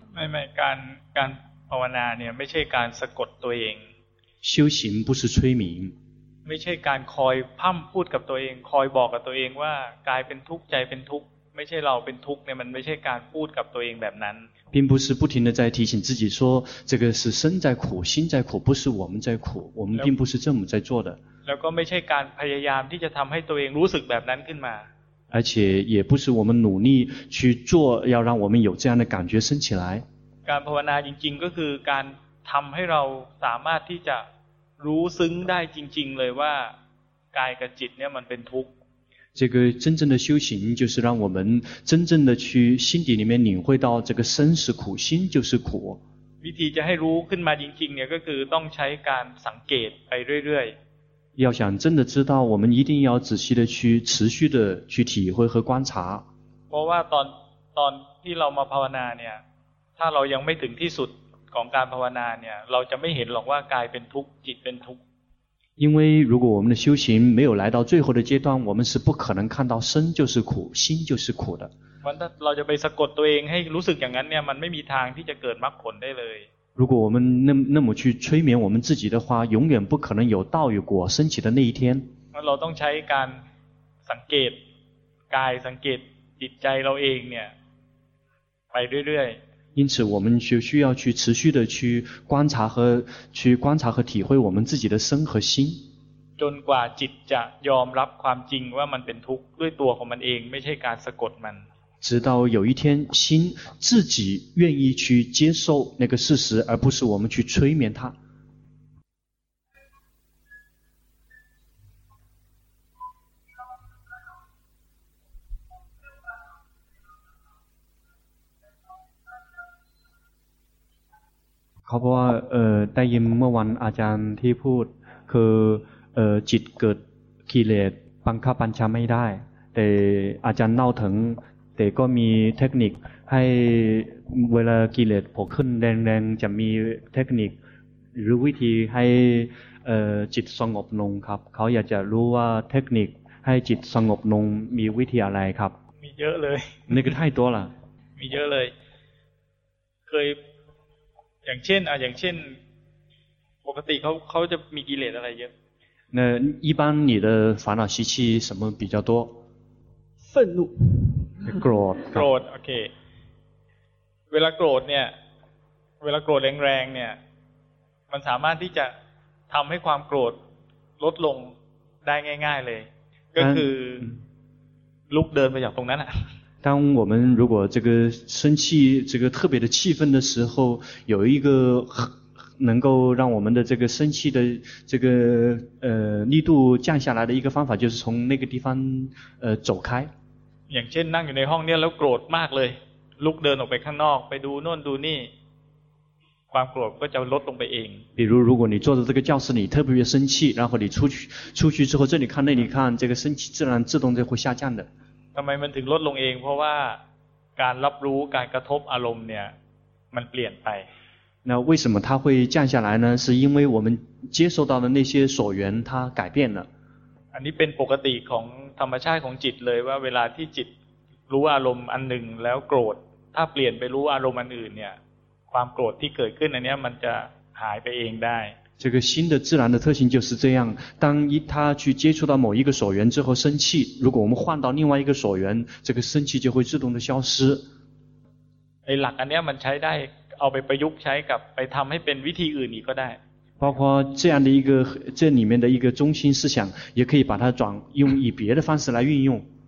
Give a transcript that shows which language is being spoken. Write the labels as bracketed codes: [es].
[th] ไม่การภาวนาเนี่ยไม่ใช่การสะกดตัวเอง [zh] 修行不是催眠 [th] ไม่ใช่การคอยพร่ำพูดกับตัวเองคอยบอกกับตัวเองว่ากายเป็นทุกข์ใจเป็นทุกข์ไม่ใช่เราเป็นทุกข์เนี่ยมันไม่ใช่การพูดกับตัวเองแบบนั้น [zh] 并不是不停的在提醒自己说这个是身在苦心在苦不是我们在苦我们并不是这么在做的 [th] แล้วก็ไม่ใช่การพยายามที่จะทำให้ตัวเองรู้สึกแบบนั้นขึ้นมา [zh] 而且也不是我们努力去做要让我们有这样的感觉升起来 [th] การภาวนาจริงๆก็คือการทำให้เราสามารถที่จะรู้ซึ้งได้จริงๆเลยว่ากายกับจิตเนี่ยมันเป็นทุกข์ [zh] 这个真正的修行就是让我们真正的去心底里面领会到这个身是苦心就是苦 [th] วิธีจะให้รู้ขึ้นมาจริงๆเนี่ยก็คือต้องใช้การสังเกตไปเรื่อย [zh] ๆ要想真的知道我们一定要仔细的去持续的去体会和观察 [th] เพราะว่าตอนที่เรามาภาวนาเนี่ยถ้าเรายังไม่ถึงที่สุดของการภาวนาเนี่ยเราจะไม่เห็นหรอกว่ากายเป็นทุกข์จิตเป็นทุกข์ [zh] 因为如果我们的修行没有来到最后的阶段我们是不可能看到身就是苦心就是苦的 [th] มันถ้าเราจะไปสะกดตัวเองให้รู้สึกอย่างนั้นเนี่ยมันไม่มีทางที่จะเกิดมรรคผลได้เลย [zh] 如果我们那么去催眠我们自己的话永远不可能有道与果升起的那一天 [th] เราต้องใช้การสังเกตกายสังเกตจิตใจเราเองเนี่ยไปเรื่อยๆ [zh] 因此我们就需要去持续的去观察和去观察和体会我们自己的身和心 [th] จนกว่าจิตจะยอมรับความจริงว่ามันเป็นทุกข์ด้วยตัวของมันเองไม่ใช่การสะกดมัน [zh] 直到有一天心自己愿意去接受那个事实而不是我们去催眠它 [th] ขาบอกว่าได้ยินเมื่อวันอาจารย์ที่พูดคือจิตเกิดกิเลสบังคับบัญชาไม่ได้แต่อาจารย์เล่าถึงแต่ก็มีเทคนิคให้เวลากิเลสโผล่ขึ้นแรงๆจะมีเทคนิคหรือวิธีให้จิตสงบลงครับเขาอยากจะรู้ว่าเทคนิคให้จิตสงบลงมีวิธีอะไรครับ มีเยอะเลย นี่คือให้ตัวล่ะ มีเยอะเลยเคยอย่างเช่นอย่างเช่นปกติเขาจะมีกิเลสอะไรเยอะ [zh] 那一般你的烦恼习气什么比较多愤怒 [th] โกรธ โกรธโอเคเวลาโกรธเนี่ยเวลาโกรธแรงๆเนี่ยมันสามารถที่จะทำให้ความโกรธลดลงได้ง่ายๆเลยก็คือลุกเดินไปจากตรงนั้นอ่ะ [zh] 当我们如果这个生气这个特别的气愤的时候有一个能够让我们的这个生气的这个力度降下来的一个方法就是从那个地方走开 [th] อย่างเช่นนั่งอยู่ในห้องเนี่ยแล้วโกรธมากเลยลุกเดินออกไปข้างนอกไปดูโน่นดูนี่ความโกรธก็จะลดลงไปเอง [zh] 比如如果你坐在这个教室里特别生气然后你出去之后这里看那里看这个生气自然自动就会下降的 [th] ทำไมมันถึงลดลงเองเพราะว่าการรับรู้การกระทบอารมณ์เนี่ยมันเปลี่ยนไป [zh] 那为什么它会降下来呢是因为我们接受到的那些所缘它改变了 [th] อันนี้เป็นปกติของธรรมชาติของจิตเลยว่าเวลาที่จิตรู้อารมณ์อันหนึ่งแล้วโกรธถ้าเปลี่ยนไปรู้อารมณ์อันอื่นเนี่ยความโกรธที่เกิดขึ้นอันนี้มันจะหายไปเองได้ [zh] 这个心的自然的特性就是这样当一他去接触到某一个所缘之后生气如果我们换到另外一个所缘这个生气就会自动的消失 [th] 哎หลักอันเนี้ยมันใช้ได้เอาไปประยุกต์ใช้กับไปทําให้เป็นวิธีอื่นอีกก็ได้ [zh] 包括这样的一个这里面的一个中心思想也可以把它转用以别的方式来运用